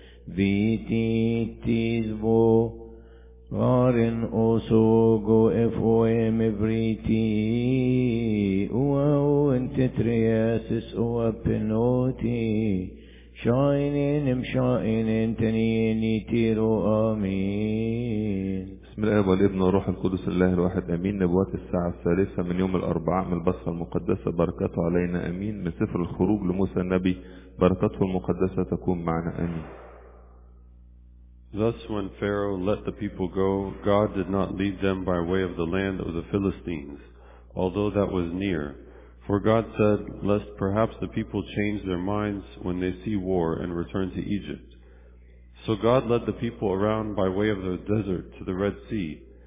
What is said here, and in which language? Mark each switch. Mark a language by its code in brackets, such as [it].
[ar] Vititis vo Varen oso go efoem evriti Uau ente treasis oeb penoti Shainim shainim tanini tiru amin. بسم الله الرحمن الرحيم والروح القدس الله الواحد امين نبوات الساعة الثالثة من يوم الاربعاء من البصرة المقدسة بركاته علينا امين من سفر الخروج لموسى النبي بركته المقدسة تكون معنا امين. [en] Thus when Pharaoh let the people go, God did not lead them by way of the land of the Philistines, although that was near. For God said, lest perhaps the people change their minds when they see war and return to Egypt. So God led the people around by way of the desert to the Red Sea.